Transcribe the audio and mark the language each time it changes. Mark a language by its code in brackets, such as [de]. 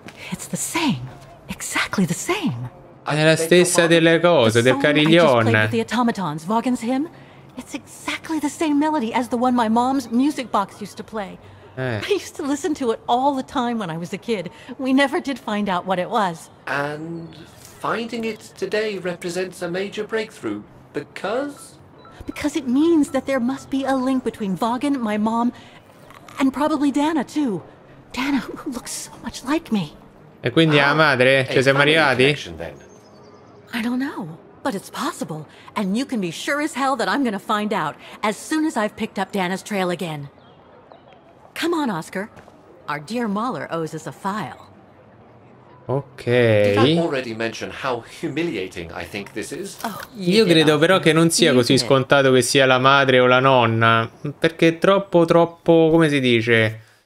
[en] It's the same, exactly the same. [it] È la stessa delle cose, del Carillon. [en] I just played with the automatons, Vaughan's hymn. It's exactly the same melody as the one my mom's music box used to play. I used to listen to it all the time when I was a kid. We never did find out what it was. And finding it today represents a major breakthrough. Because it means that there must be a link between Vaughan, my mom, and probably Dana too. Dana, who looks so much like me. [it] E quindi la madre, ci siamo arrivati? [en] I don't know, but it's possible, and you can be sure as hell that I'm gonna find out as soon as I've picked up Dana's trail again. Come on, Oscar. Our dear Mahler owes us a file. Okay. Did I already mention how humiliating I think this is? [it] Io credo però che non sia così scontato che sia la madre o la nonna, perché è troppo, troppo, come si dice?